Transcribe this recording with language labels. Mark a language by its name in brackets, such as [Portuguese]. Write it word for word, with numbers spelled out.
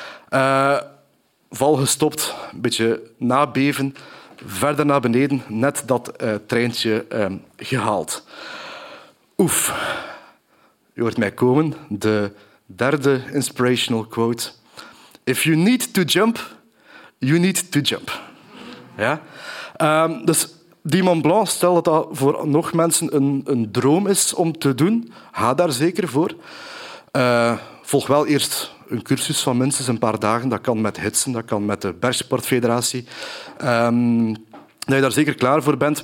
[Dutch] Uh, val gestopt, een beetje nabeven, verder naar beneden, net dat uh, treintje uh, gehaald. Oef. Je hoort mij komen, de derde inspirational quote. [English] If you need to jump, you need to jump. [Dutch] Ja? Um, dus die Mont Blanc, stel dat dat voor nog mensen een, een droom is om te doen, ga daar zeker voor. Uh, volg wel eerst een cursus van minstens een paar dagen. Dat kan met hitsen, dat kan met de Bergsportfederatie. Um, dat je daar zeker klaar voor bent.